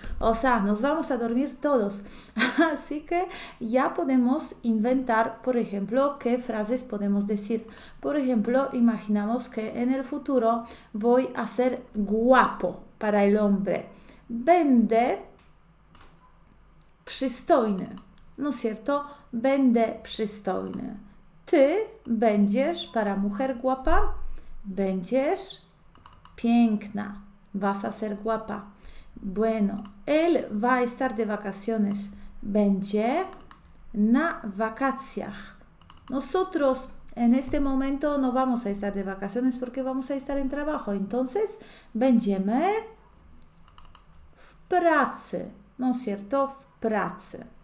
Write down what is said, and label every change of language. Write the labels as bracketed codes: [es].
[es] O sea, nos vamos a dormir todos. Así que ya podemos inventar, por ejemplo, qué frases podemos decir. Por ejemplo, imaginamos que en el futuro voy a ser guapo. Para el hombre, [pl] będę przystojny, [es] ¿no es cierto? Będę przystojny. [pl] Ty będziesz, [es] para mujer guapa, [pl] będziesz piękna. [es] Vas a ser guapa. Bueno, él va a estar de vacaciones. [pl] Będzie na wakacjach. [es] Nosotros en este momento no vamos a estar de vacaciones porque vamos a estar en trabajo. Entonces, [pl] będziemy pracy, [es] ¿no es cierto? Pracy.